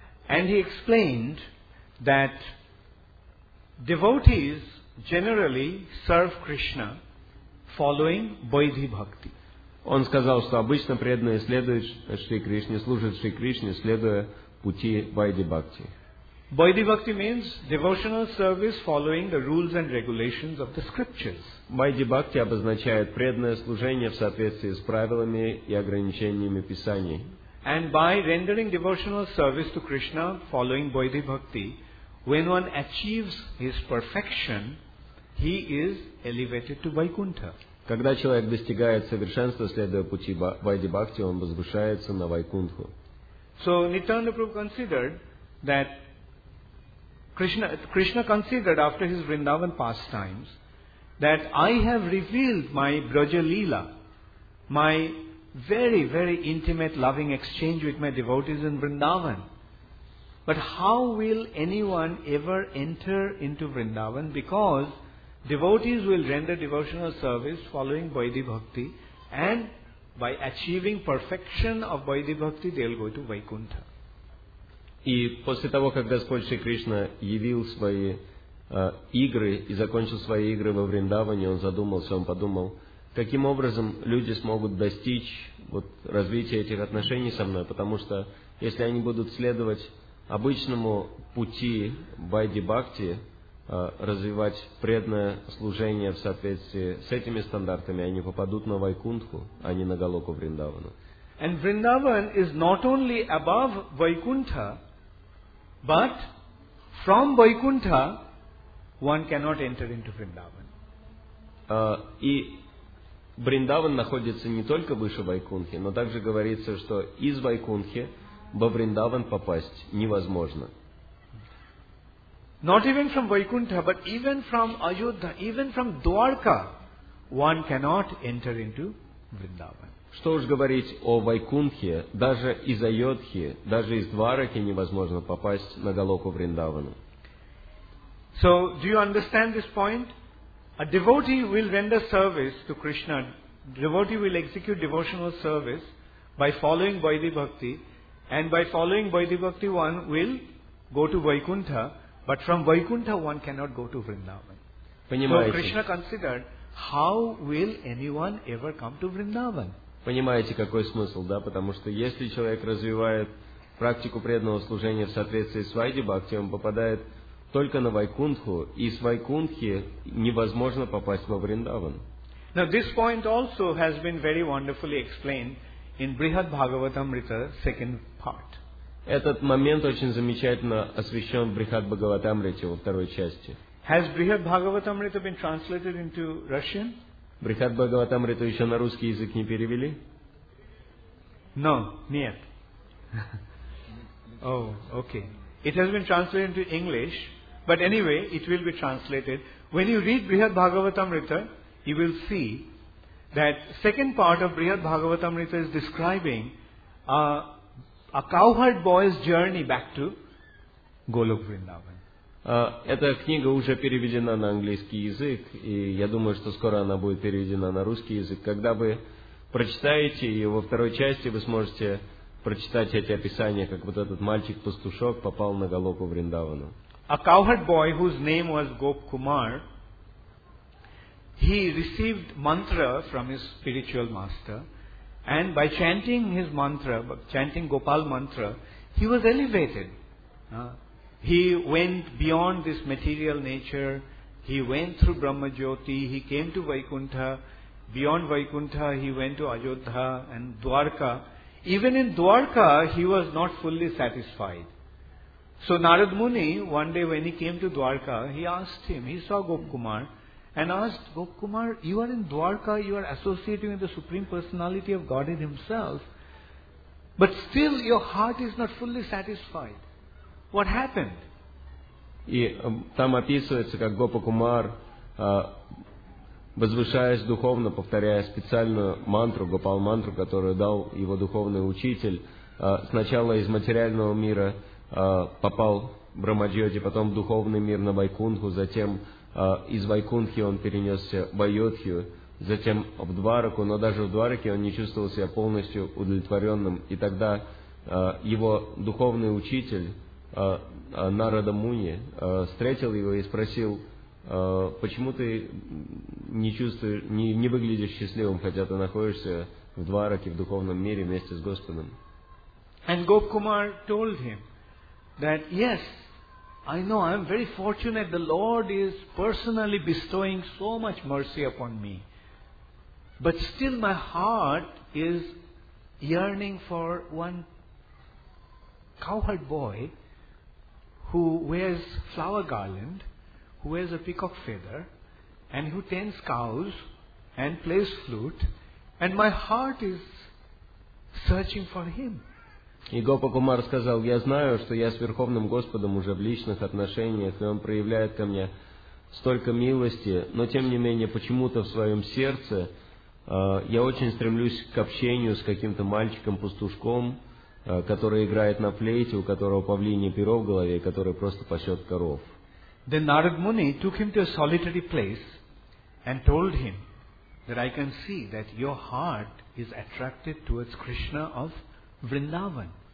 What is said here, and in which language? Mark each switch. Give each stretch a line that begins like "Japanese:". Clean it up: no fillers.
English: And he explained that devotees generally serve Krishna following Bodhi Bhakti.
Russian: Он сказал, что обычно преданные следуют Шри Кришне, служат Шри Кришне, следуя пути Bodhi Bhakti.
English: Bodhi Bhakti means devotional service following the rules and regulations of the scriptures.
Russian: Bodhi Bhakti обозначает преданное служение в соответствии с правилами и ограничениями Писаний.
English: And by rendering devotional service to Krishna following Bodhi Bhakti, when one achieves his perfection, he is elevated to Vaikuntha.
Russian: Когда человек достигает совершенства, следуя пути Bodhi Bhakti, он возвышается на Вайкунтху.
English: So Nityananda Prabhu considered that Krishna considered after his Vrindavan pastimes that I have revealed my Braja Leela, my very, very intimate loving exchange with my devotees in Vrindavan. But how will anyone ever enter into Vrindavan? Because devotees will render devotional service following Bodhi Bhakti, and by achieving perfection of Bodhi Bhakti, they will go to Vaikuntha.
Russian: И после того, как Господь Шри Кришна явил свои игры и закончил свои игры во Вриндаване, он задумался, он подумал, каким образом люди смогут достичь вот, развития этих отношений со мной, потому что если они будут следовать обычному пути Bodhi Bhakti, развивать преданное служение в соответствии с этими стандартами, они попадут на Вайкунтху, а не на Голоку Вриндавану.
English: And Vrindavan is not only above Vaikuntha, but from Vaikuntha, one cannot enter into Vrindavan.
Russian: И Вриндаван находится не только выше Вайкунтхи, но также говорится, что из Вайкунтхи во Вриндаван попасть невозможно.
English: Not even from Vaikuntha, but even from Ayodhya, even from Dwarka, one cannot enter into Vrindavan.
Russian: Что уж говорить о Вайкунтхе, даже из Айодхи, даже из Двараки невозможно попасть на Голоку Вриндавану.
English: So, do you understand this point? A devotee will render service to Krishna, a devotee will execute devotional service by following Bodhi Bhakti, and by following Bodhi Bhakti one will go to Vaikuntha, but from Vaikuntha one cannot go to Vrindavan.
Russian: Понимаете?
English: So Krishna considered, how will anyone ever come to Vrindavan?
Russian: Понимаете, какой смысл, да? Потому что если человек развивает практику преданного служения в соответствии с Bodhi Bhakti, он попадает только на Вайкунтху, и с Вайкунтхи невозможно попасть во Вриндаван.
English: Now this point also has been very wonderfully explained in Brihad Bhagavatamrita, second part.
Russian: Этот момент очень замечательно освещен в Брихад Бхагаватамрите во второй части.
English: Has Brihad Bhagavatamrita been translated into Russian?
Russian: Брихад Бхагаватамриту еще на русский язык не перевели?
English: No,
Russian: нет.
English: Oh, okay. It has been translated into English, but anyway, it will be translated. When you read Brihad Bhagavatamrita, you will see that second part of Brihad Bhagavatamrita is describing a cowherd boy's journey back to Golok Vrindavan.
Russian: Эта книга уже переведена на английский язык, и я думаю, что скоро она будет переведена на русский язык. Когда вы прочитаете ее во второй части, вы сможете прочитать эти описания, как вот этот мальчик-пастушок попал на Голоку Вриндавану.
English: A cowherd boy whose name was Gop Kumar, he received mantra from his spiritual master, and by chanting his mantra, chanting Gopal mantra, he was elevated. He went beyond this material nature, he went through Brahma Jyoti, he came to Vaikuntha, beyond Vaikuntha he went to Ayodhya and Dwarka. Even in Dwarka he was not fully satisfied. So Narad Muni, one day when he came to Dwarka, he asked him, he saw Gop Kumar and asked, Gopkumar, you are in Dwarka, you are associating with the Supreme Personality of Godhead Himself, but still your heart is not fully satisfied. What happened?
Russian: И там описывается, как Гопакумар, возвышаясь духовно, повторяя специальную мантру, Гопал-мантру, которую дал его духовный учитель, сначала из материального мира попал в Брамаджьоти, потом в духовный мир на Вайкунху, затем из Вайкунхи он перенесся в Айодхью, затем в Двараку, но даже в Двараке он не чувствовал себя полностью удовлетворенным. И тогда его духовный учитель Нарада Муни встретил его и спросил, почему ты не чувствуешь, не выглядишь счастливым, хотя ты находишься в Двараке, в духовном мире вместе с Господом.
English: And Gopkumar told him that, yes, I know, I am very fortunate, the Lord is personally bestowing so much mercy upon me. But still my heart is yearning for one cowherd boy who wears flower garland, who wears a peacock feather, and who tends cows and plays flute, and my heart is searching for him.
Russian: И Гопакумар сказал, я знаю, что я с Верховным Господом уже в личных отношениях, и Он проявляет ко мне столько милости, но тем не менее, почему-то в своем сердце я очень стремлюсь к общению с каким-то мальчиком-пастушком, который играет на флейте, у которого павлинье перо в голове, который просто пасет коров.
English: Then Narad Muni took him to a solitary place and told him that I can see that your heart is attracted towards Krishna of Vrindavan.